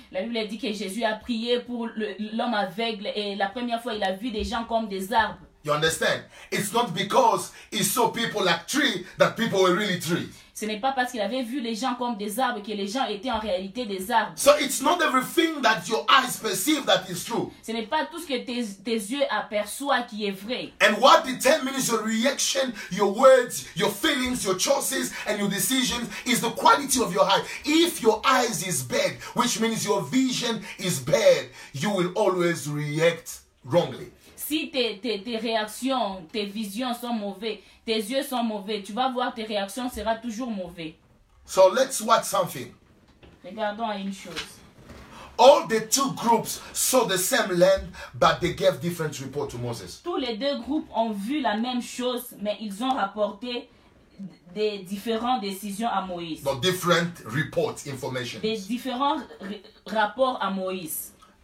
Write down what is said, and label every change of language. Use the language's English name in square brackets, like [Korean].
[French] La Bible dit que Jésus a prié pour l'homme aveugle et la première fois il a vu des gens comme des arbres. [English] You understand? It's not because he saw people like trees that people were really trees. [French] Ce n'est pas parce qu'il avait vu les gens comme des arbres que les gens étaient en réalité des arbres. [English] So it's not everything that your eyes perceive that is true. [French] Ce n'est pas tout ce que tes yeux aperçoivent qui est vrai. [English] And what determines your reaction, your words, your feelings, your choices and your decisions is the quality of your eye. If your eyes is bad, which means your vision is bad, you will always react wrongly. [French] Si tes réactions, tes visions sont mauvaises, tes yeux sont mauvais, tu vas voir tes réactions sera toujours mauvais. [English] So let's watch something. [French] Regardons une chose. [English] All the two groups saw the same land, but they gave different report to Moses. [French] Tous les deux groupes ont vu la même chose, mais ils ont rapporté des différentes décisions à Moïse. [English] But different report information. [French] Des différents rapports à Moïse.